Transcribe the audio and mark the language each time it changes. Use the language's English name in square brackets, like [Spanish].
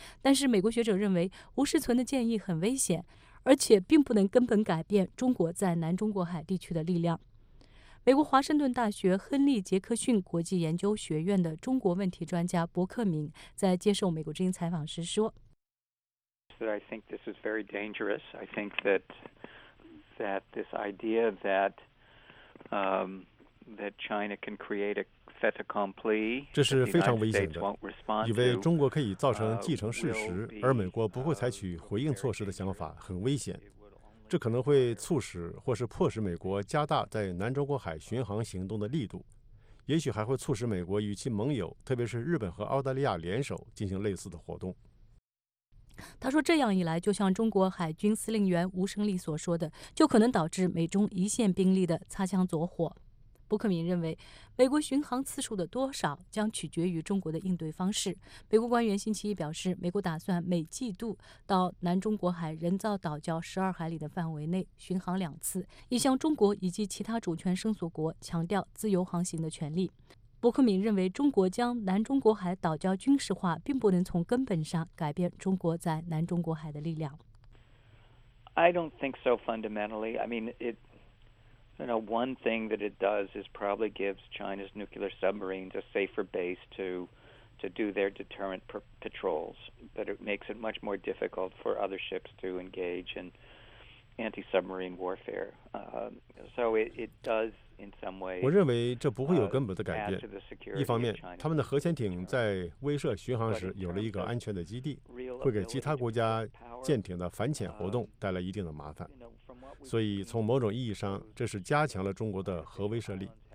[Chinese] 但是美国学者认为，吴世存的建议很危险，而且并不能根本改变中国在南中国海地区的力量。美国华盛顿大学亨利·杰克逊国际研究学院的中国问题专家伯克敏在接受美国之音采访时说 [English] I think this is very dangerous. I think that this idea that China can create a fait accompli, [Chinese] 这是非常危险的，以为中国可以造成既成事实而美国不会采取回应措施的想法很危险。这可能会促使或是迫使美国加大在南中国海巡航行动的力度，也许还会促使美国与其盟友，特别是日本和澳大利亚联手进行类似的活动。他说，这样一来，就像中国海军司令员吴胜利所说的，就可能导致美中一线兵力的擦枪走火。伯克敏认为，美国巡航次数的多少将取决于中国的应对方式。美国官员星期一表示，美国打算每季度到南中国海人造岛礁12海里的范围内巡航2次，以向中国以及其他主权生索国强调自由航行的权利。伯克敏认为，中国将南中国海岛礁军事化并不能从根本上改变中国在南中国海的力量。 [English] I don't think so fundamentally. I mean, You know, one thing that it does is probably gives China's nuclear submarines a safer base to do their deterrent patrols, but it makes it much more difficult for other ships to engage in anti-submarine warfare. So it does in some ways. [Chinese] 我认为这不会有根本的改变。一方面，他们的核潜艇在威慑巡航时有了一个安全的基地，会给其他国家舰艇的反潜活动带来一定的麻烦。所以从某种意义上，这是加强了中国的核威慑力。